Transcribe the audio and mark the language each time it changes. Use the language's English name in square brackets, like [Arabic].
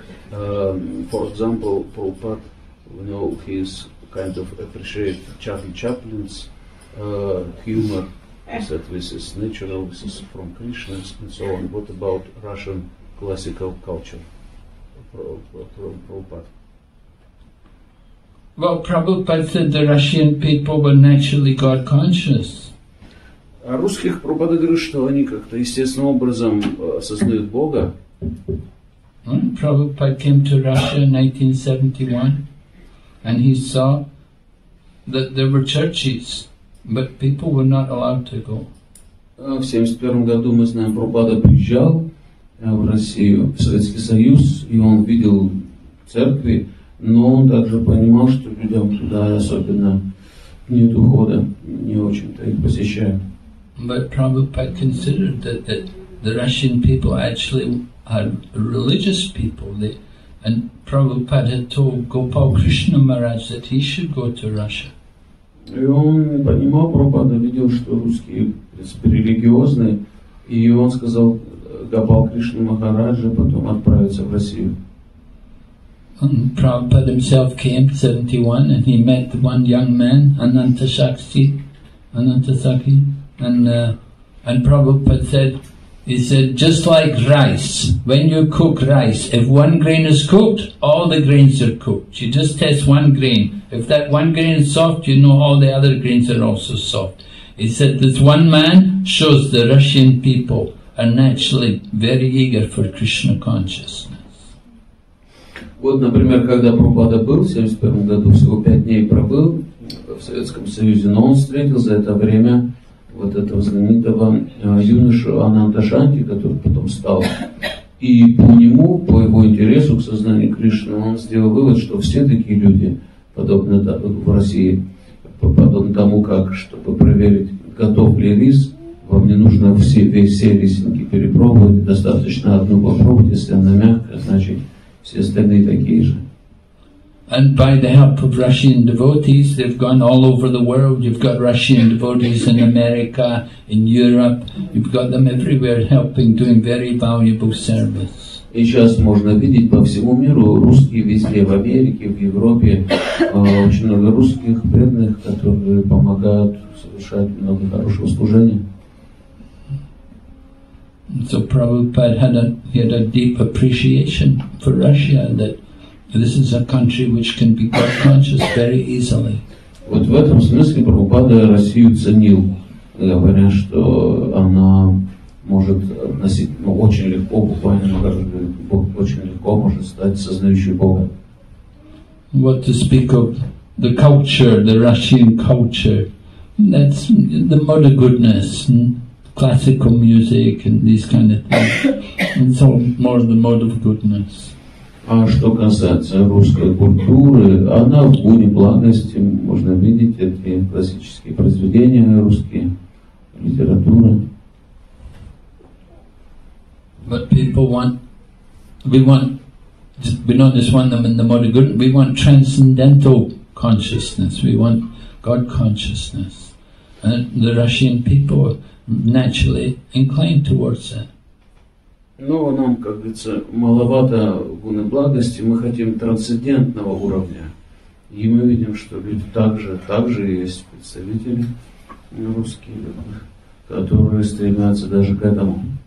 [English] For example, Prabhupada, you know, he's kind of appreciate Charlie Chaplin's humor, that this is natural, this is from Krishna, and so on. What about Russian classical culture, Prabhupada? Well, Prabhupada said the Russian people were naturally God conscious. [Russian] А русских Прабхупада говорит, что они как-то естественным образом осознают Бога. [English] Prabhupada came to Russia in 1971 and he saw that there were churches, but people were not allowed to go. [Russian] В 71 году мы знаем, Прабхупада приезжал в Россию, в Советский Союз, и он видел церкви. Но он также понимал, что людям туда особенно нет ухода, не очень-то их посещают. [English] But Prabhupada considered that the Russian people actually are religious people. And Prabhupada had told Gopal Krishna Maharaj that he should go to Russia. [Russian] И он понимал, Прабхупада видел, что русские, в принципе, религиозные, и он сказал Гопал Кришна Махараджа потом отправиться в Россию. [English] And Prabhupada himself came in 71 and he met one young man, Anantasakhi, and Prabhupada said, he said, just like rice, when you cook rice, if one grain is cooked, all the grains are cooked. You just test one grain. If that one grain is soft, you know all the other grains are also soft. He said, this one man shows the Russian people are naturally very eager for Krishna consciousness. [Russian] Вот, например, когда Прабхупада был, в 71 году всего 5 дней пробыл в Советском Союзе, но он встретил за это время вот этого знаменитого юношу Ананта Шанти, который потом стал И по нему, по его интересу к сознанию Кришны, он сделал вывод, что все такие люди, подобно в России, подобно тому, как, чтобы проверить, готов ли рис, вам не нужно все рисинки перепробовать, достаточно одну попробовать, если она мягкая, значит, все остальные такие же. [English] And by the help of Russian devotees, they've gone all over the world. You've got Russian devotees in America, in Europe. You've got them everywhere helping, doing very valuable service. [Russian] И сейчас можно видеть по всему миру русские везде, в Америке, в Европе, очень много русских преданных, которые помогают совершать много хорошего служения. [English] So Prabhupada had a deep appreciation for Russia that. This is a country which can be God conscious very easily. [Russian] Вот в этом смысле Прабхупада Россию ценил, говоря, что она может носить, ну, очень легко, буквально, очень легко может стать сознающей Бога. [English] What to speak of the culture, the Russian culture, that's the mother goodness, classical music and these kind of things, and so more the mother goodness. [Russian] А что касается русской культуры, она в гуне благости, можно видеть эти классические произведения русские, литературы. [English] But people want, we not just want them in the mother goodness, we want transcendental consciousness, we want God consciousness. And the Russian people are naturally inclined towards that. [Russian] Но нам, как говорится, маловато гуны благости, мы хотим трансцендентного уровня. И мы видим, что люди также есть представители русские, которые стремятся даже к этому.